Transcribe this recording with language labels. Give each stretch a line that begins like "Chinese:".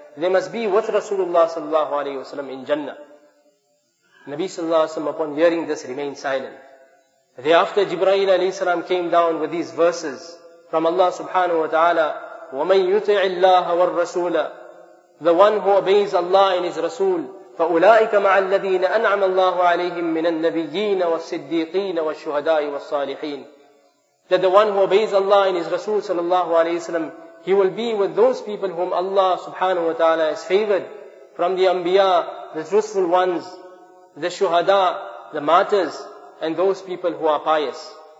English: They must be with Rasulullah sallallahu alayhi wa sallam in Jannah. Nabi sallallahu alayhi wa sallam, upon hearing this, remained silent. Thereafter, Jibreel alayhi salam came down with these verses from Allah subhanahu wa ta'ala,
Arabic: وَمَنْ يُطِعِ اللَّهَ وَالرَّسُولَ.
English: The one who obeys Allah and His Rasul,
Arabic: فأولئك مع الذين أنعم الله عليهم من النبيين والصديقين والشهداء والصالحين.
English: That the one who obeys Allah and His Rasul sallallahu alayhi wa sallam, he will be with those people whom Allah subhanahu wa ta'ala has favored from the Anbiya, the truthful ones, the shuhada, the martyrs, and those people who are pious.